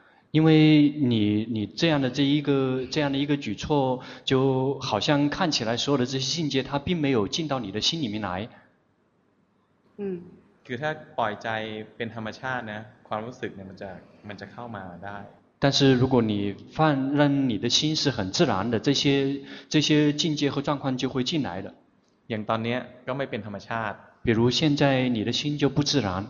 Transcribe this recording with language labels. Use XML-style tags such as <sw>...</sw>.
<zh>因为你这样的这样的一个举措就好像看起来所有的这些境界它并没有进到你的心里面来嗯</zh> <th>คือถ้าปล่อยใจเป็นธรรมชาตินะความรู้สึกเนี่ยมันจะเข้ามาได้</th> <zh>但是如果你放任你的心是很自然的这些境界和状况就会进来的</zh> <th>อย่างตอนนี้ก็ไม่เป็นธรรมชาติ</th> <zh>比如现在你的心就不自然</zh>